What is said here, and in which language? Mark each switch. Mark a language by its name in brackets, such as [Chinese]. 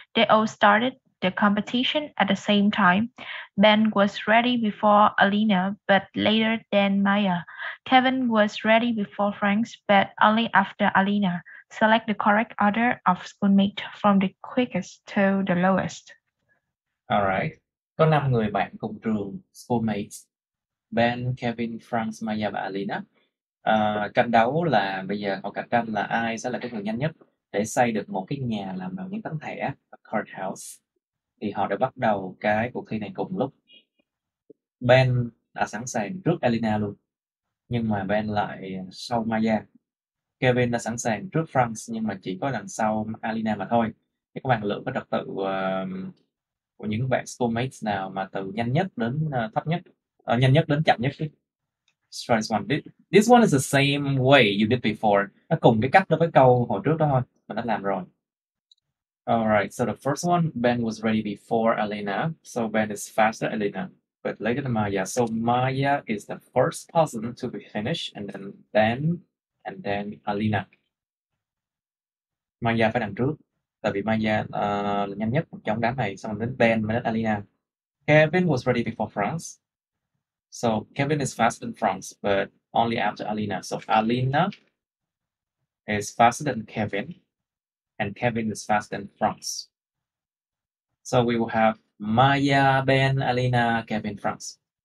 [English] They all started the competition at the same time. Ben was ready before Alina, but later than Maya. Kevin was ready before Franks, but only after Alina. Select the correct order of schoolmate from the quickest to the lowest. All right. [Vietnamese] Có 5 người bạn cùng trường, schoolmates. Ben, Kevin, Franks, Maya và Alina. Cạnh đấu là bây giờ họ cạnh tranh là ai sẽ là cái người nhanh nhất để xây được một cái nhà làm bằng những tấm thẻ, a cart house. Thì họ đã bắt đầu cái cuộc thi này cùng lúc. Ben đã sẵn sàng trước Alina luôn, nhưng mà Ben lại sau Maya. Kevin đã sẵn sàng trước Franks, nhưng mà chỉ có đằng sau Alina mà thôi. Thì các bạn lựa cái trật tự của những bạn schoolmates nào mà từ nhanh nhất đến thấp nhất, nhanh nhất đến chậm nhất đi. [English] This one. This one is the same way you did before. [Vietnamese] Nó cùng cái cách đối với câu hồi trước đó thôi, mình đã làm rồi. [English] Alright, so the first one, Ben was ready before Alina. So Ben is faster than Alina, but later than Maya. So Maya is the first person to be finished, and then Ben, and then Alina. [Vietnamese] Maya phải đằng trước, tại vì Maya là nhanh nhất trong đám này, xong đến Ben mới đến Alina. [English] Kevin was ready before France. So Kevin is faster than France, but only after Alina. So Alina is faster than Kevin, and Kevin is faster than Franks. So we will have Maya, Ben, Alina, Kevin, Franks.